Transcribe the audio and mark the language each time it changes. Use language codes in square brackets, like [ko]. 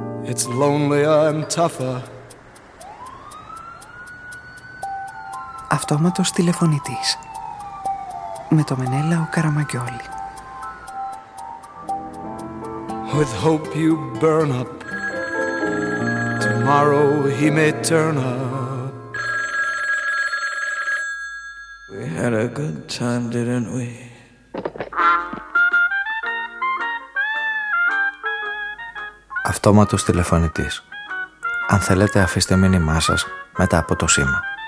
[en] It's lonelier and tougher. [el] Αυτόματος τηλεφωνητής. Με το Μενέλα ο Καραμαγκιόλη. [en] With hope you burn up. Tomorrow he may turn up. We had a good time, didn't we? [el] Αυτόματος τηλεφωνητής. Αν θέλετε αφήστε μήνυμά σας μετά από το σήμα.